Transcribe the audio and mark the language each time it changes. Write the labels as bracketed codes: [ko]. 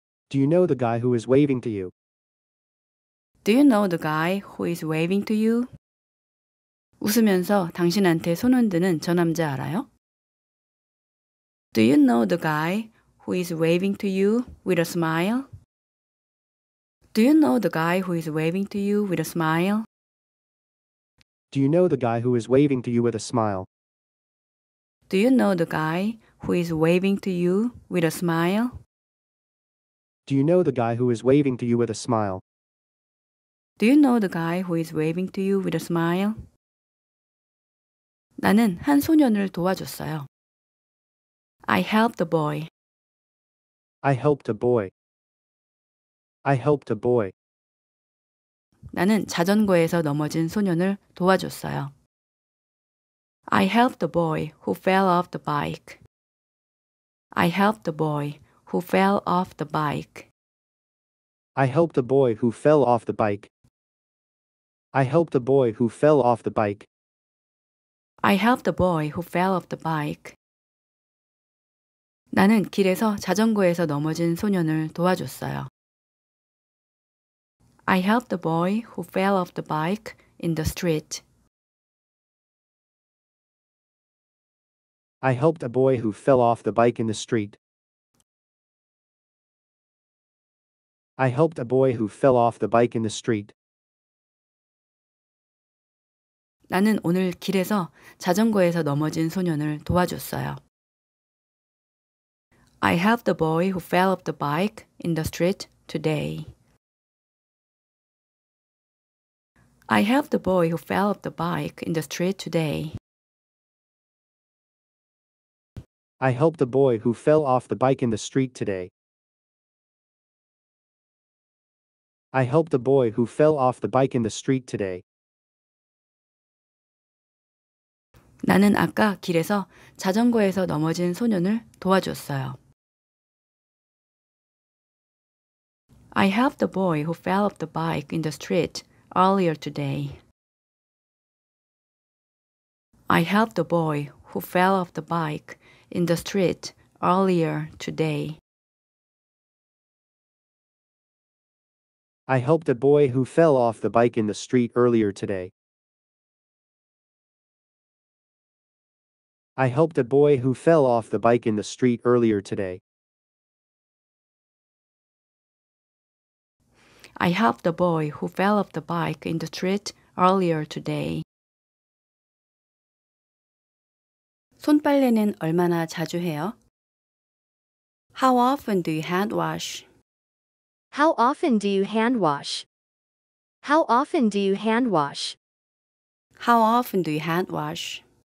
[en] Do you know the guy who is waving to you? Do you know the guy who is waving to you? [ko] 웃으면서 당신한테 손 흔드는 저 남자 알아요? [en] Do you know the guy who is waving to you with a smile? Do you know the guy who is waving to you with a smile? Do you know the guy who is waving to you with a smile? Do you know the guy who is waving to you with a smile? Do you know the guy who is waving to you with a smile? Do you know the guy who is waving to you with a smile? [ko] 나는 한 소년을 도와줬어요. [en] I helped a boy. I helped a boy. I helped a boy. [ko] 나는 자전거에서 넘어진 소년을 도와줬어요. [en] I helped a boy who fell off the bike. I helped a boy who fell off the bike. I helped a boy who fell off the bike. I helped a boy who fell off the bike. I helped a boy who fell off the bike. [ko] 나는 길에서 자전거에서 넘어진 소년을 도와줬어요. [en] I helped a boy who fell off the bike in the street. I helped a boy who fell off the bike in the street. I helped a boy who fell off the bike in the street. [ko] 나는 오늘 길에서 자전거에서 넘어진 소년을 도와줬어요. [en] I helped a boy who fell off the bike in the street today. I helped a boy who fell off the bike in the street today. I helped a boy who fell off the bike in the street today. I helped a boy who fell off the bike in the street today. [ko] 나는 아까 길에서 자전거에서 넘어진 소년을 도와줬어요. [en] I helped a boy who fell off the bike in the street earlier today. I helped a boy who fell off the bike in the street earlier today. I helped a boy who fell off the bike in the street earlier today. I helped a boy who fell off the bike in the street earlier today. I helped a boy who fell off the bike in the street earlier today. [ko] 손 빨래는 얼마나 자주 해요? [en] How often do you hand wash? How often do you hand wash? How often do you hand wash? How often do you hand wash?